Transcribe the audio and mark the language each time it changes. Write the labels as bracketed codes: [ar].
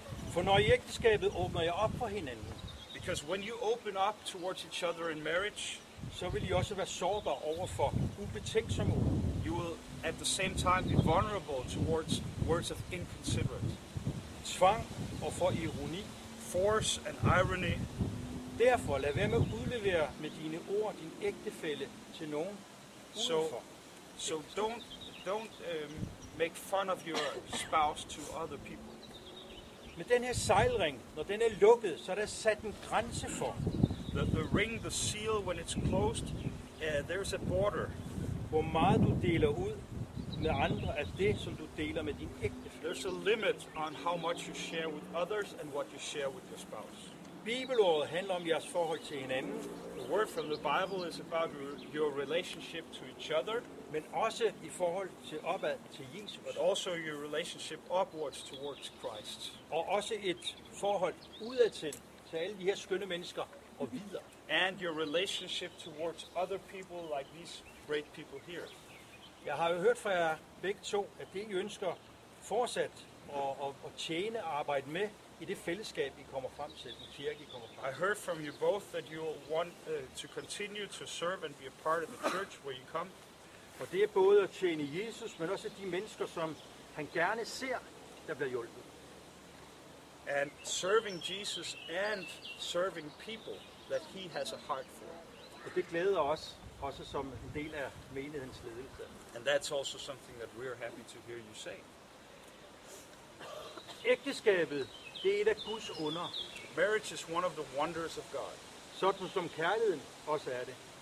[da] For når I ægteskabet åbner jeg op for hinanden. [en] Because when you open up towards each other in marriage, [da] så vil I også være sårbar over for ubetænksomme ord. [en] You will at the same time be vulnerable towards words of inconsiderate. [da] Tvang og for ironi. [en] Force and irony. [da] Derfor lad være med at udlevere med dine ord din ægtefælle til nogen udenfor. [en] So don't make fun of your spouse to other people. [da] Med den her sejlring, når den er lukket, så er der sat en grænse for. [en] The ring, the seal, when it's closed, there's a border. [da] Hvor meget du deler ud med andre af det, som du deler med din ægtefælle. [en] There's a limit on how much you share with others and what you share with your spouse. [da] Bibelordet handler om jeres forhold til hinanden. [en] The word from the Bible is about your relationship to each other. [da] Men også i forhold til opad til Jesus. [en] But also your relationship upwards towards Christ. [da] Og også et forhold udadtil til alle de her skønne mennesker og videre. [en] And your relationship towards other people like these great people here. [da] Jeg har jo hørt fra jer begge to, at det I ønsker fortsat at tjene og arbejde med i det fællesskab I kommer frem til, den kirke I kommer frem til. [en] I heard from you both that you want to continue to serve and be a part of the church where you come. [da] Og det er både at tjene Jesus, men også de mennesker, som han gerne ser, der bliver hjulpet. [en] And serving Jesus and serving people that he has a heart for. [da] Og det glæder os, også som en del af menighedens ledelse. [en] And that's also something that we're happy to hear you say. [da] Ægteskabet, det er et af Guds under. [en] Marriage is one of the wonders of God. [da] Sådan som kærligheden også er det.